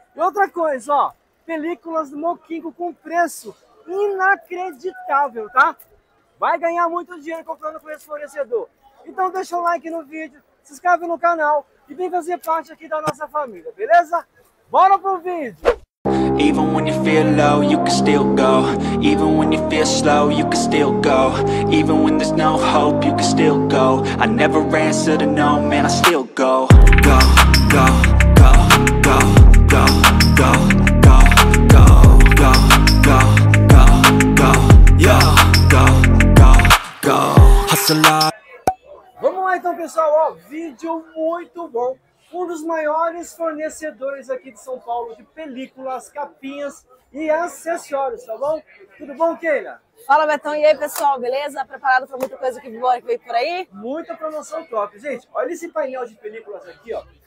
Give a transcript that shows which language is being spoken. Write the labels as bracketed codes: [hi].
[pt] E outra coisa, ó, películas do Mokingo com preço inacreditável, tá? Vai ganhar muito dinheiro comprando com esse fornecedor. Então deixa o like no vídeo, se inscreve no canal e vem fazer parte aqui da nossa família, beleza? Bora pro vídeo! [en] Even when you feel low, you can still go. Even when you feel slow, you can still go. Even when there's no hope, you can still go. I never answer to no, man, I still go. Go, go, go, go, go, go, go, go, go, go, go, go, go, go, go, go, hustle up. [pt] Vamos lá então, pessoal, ó, vídeo muito bom. Um dos maiores fornecedores aqui de São Paulo de películas, capinhas e acessórios, tá bom? Tudo bom, Keila? Fala, Betão. E aí, pessoal, beleza? Preparado para muita coisa que vem por aí? Muita promoção top. Gente, olha esse painel de películas aqui, ó.